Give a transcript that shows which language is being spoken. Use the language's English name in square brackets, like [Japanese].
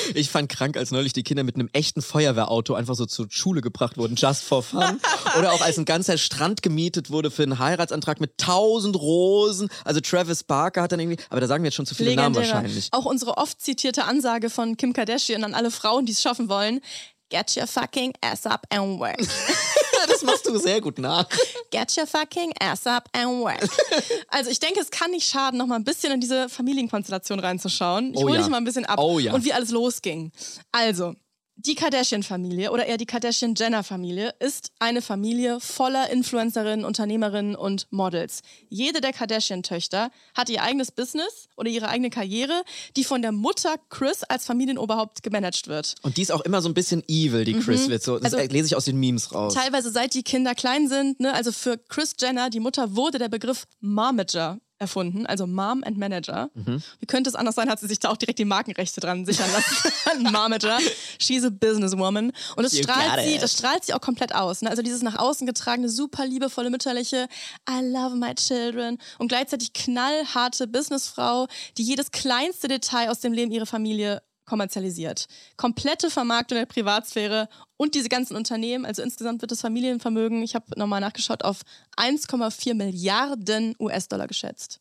[German] Ich fand krank, als neulich die Kinder mit einem echten Feuerwehrauto einfach so zur Schule gebracht wurden, [English] just for fun. [German] Oder auch als ein ganzer Strand gemietet wurde für einen Heiratsantrag mit 1000 Rosen. Also Travis Barker hat dann irgendwie, aber da sagen wir jetzt schon zu viele Namen wahrscheinlich. Auch unsere oft zitierte Ansage von Kim Kardashian an alle Frauen, die es schaffen wollen. [English] Get your fucking ass up and work. [German] Das machst du sehr gut nach. [English] Get your fucking ass up and work. [German] Also ich denke, es kann nicht schaden, noch mal ein bisschen in diese Familienkonstellation reinzuschauen. Ich hole dich mal ein bisschen ab. Oh ja. Und wie alles losging. Also, die Kardashian-Familie oder eher die Kardashian-Jenner-Familie ist eine Familie voller Influencerinnen, Unternehmerinnen und Models. Jede der Kardashian-Töchter hat ihr eigenes Business oder ihre eigene Karriere, die von der Mutter Kris als Familienoberhaupt gemanagt wird. Und die ist auch immer so ein bisschen evil, die Kris wird. So, das also, lese ich aus den Memes raus. Teilweise seit die Kinder klein sind, ne, also für Kris Jenner, die Mutter, wurde der Begriff Momager erfunden, also Mom and Manager. Mhm. Wie könnte es anders sein, hat sie sich da auch direkt die Markenrechte dran sichern lassen. [English] Momager, she's a businesswoman. [German] Und das strahlt sie auch komplett aus. Ne? Also dieses nach außen getragene, super liebevolle, mütterliche, [English] I love my children. [German] Und gleichzeitig knallharte Businessfrau, die jedes kleinste Detail aus dem Leben ihrer Familie kommerzialisiert. Komplette Vermarktung der Privatsphäre und diese ganzen Unternehmen, also insgesamt wird das Familienvermögen, ich habe nochmal nachgeschaut, auf 1,4 Milliarden US-Dollar geschätzt.